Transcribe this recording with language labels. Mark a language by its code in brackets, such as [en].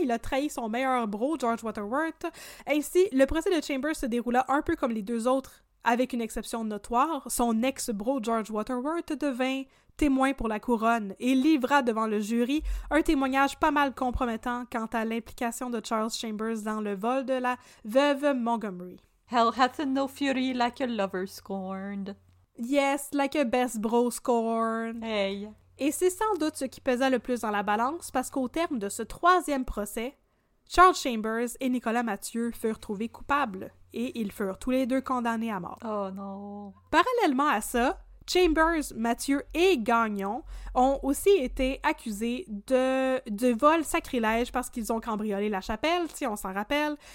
[fr] Il a trahi son meilleur bro, George Waterworth. Ainsi, le procès de Chambers se déroula un peu comme les deux autres, avec une exception notoire. Son ex-bro, George Waterworth, devint témoin pour la couronne et livra devant le jury un témoignage pas mal compromettant quant à l'implication de Charles Chambers dans le vol de la veuve Montgomery. [en] Hell hath no fury like a lover scorned. Yes, like a best bro scorned. Hey. [fr] Et c'est sans doute ce qui pesa le plus dans la balance, parce qu'au terme de ce troisième procès, Charles Chambers et Nicolas Mathieu furent trouvés coupables, et ils furent tous les deux condamnés à mort. Oh non! Parallèlement à ça, Chambers, Mathieu et Gagnon ont aussi été accusés de vol sacrilège parce qu'ils ont cambriolé la chapelle, si on s'en rappelle.